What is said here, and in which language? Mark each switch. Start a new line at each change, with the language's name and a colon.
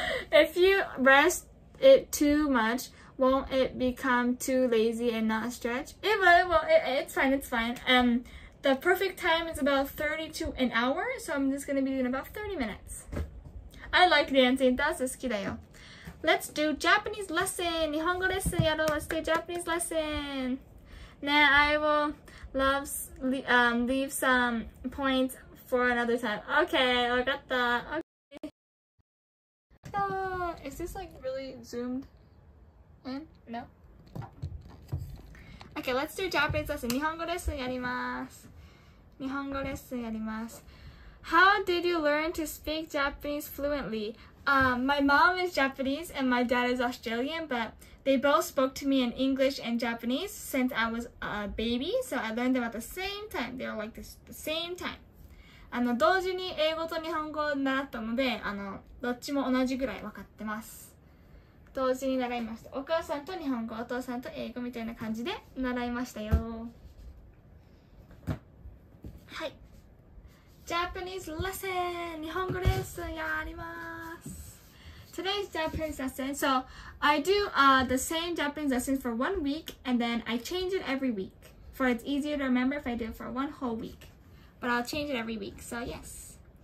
English: If you rest it too much, won't it become too lazy and not stretch? It will. It's fine. The perfect time is about 30 to an hour, so I'm just going to be doing about 30 minutes. I like dancing. That's
Japanese: 好きだよ.
English: Let's do Japanese lesson.
Japanese: 日本語レッスンやろう.
English: Let's do Japanese lesson. Now I will leave some points for another time. Okay,
Japanese: わかった.
English: Okay. Is this like really zoomed in? No? Okay, let's do Japanese lesson.
Japanese: 日本語レッスンやります.日本語レッスンやります。
English: How did you learn to speak Japanese fluently? My mom is Japanese and my dad is Australian, but they both spoke to me in English and Japanese since I was a baby, so I learned them at the same time. They were like this, the same time.
Japanese: 同時に英語と日本語を習ったので、どっちも同じぐらい分かってます。同時に習いました。お母さんと日本語、お父さんと英語みたいな感じで習いましたよ。
English: はい、Japanese lesson!
Japanese: 日本語レッスンやります!
English: Today's Japanese lesson. So, I do the same Japanese lesson for 1 week and then I change it every week. For it's easier to remember if I do it for 1 whole week. But I'll change it every week, so yes.